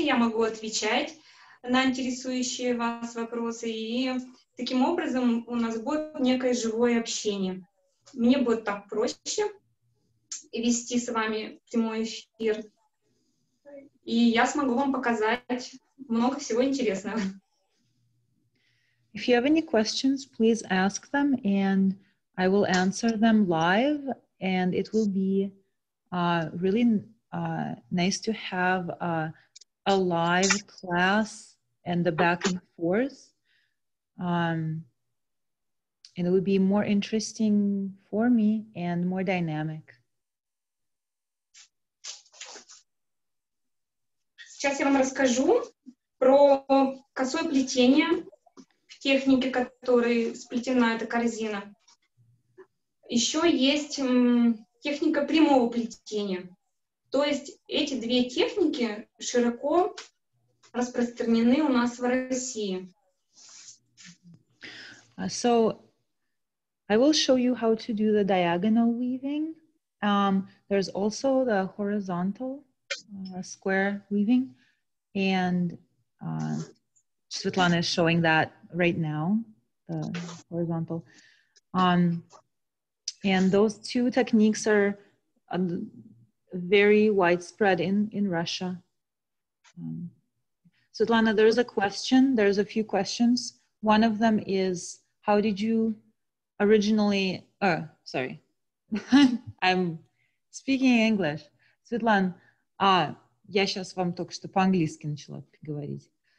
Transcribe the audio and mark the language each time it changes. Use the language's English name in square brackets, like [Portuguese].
[Russian] Я могу отвечать на интересующие вас вопросы. И таким образом у нас будет некое живое общение. Мне будет так проще вести с вами прямой эфир. И я смогу вам показать много всего интересного. [English] If you have any questions, please ask them and I will answer them live, and it will be really nice to have a live class and the back and forth. And it would be more interesting for me and more dynamic. [Russian] Сейчас я вам расскажу про косое плетение в технике, которой сплетена эта корзина. Еще есть техника прямого плетения. То есть эти две техники широко распространены у нас в России. [English] So I will show you how to do the diagonal weaving. There's also the horizontal square weaving. And Svetlana is showing that right now, the horizontal. And those two techniques are very widespread in Russia. Svetlana, there's a question. There's a few questions. One of them is, how did you originally, sorry, I'm speaking English. [Russian] Светлан, я сейчас вам только что по-английски начала говорить.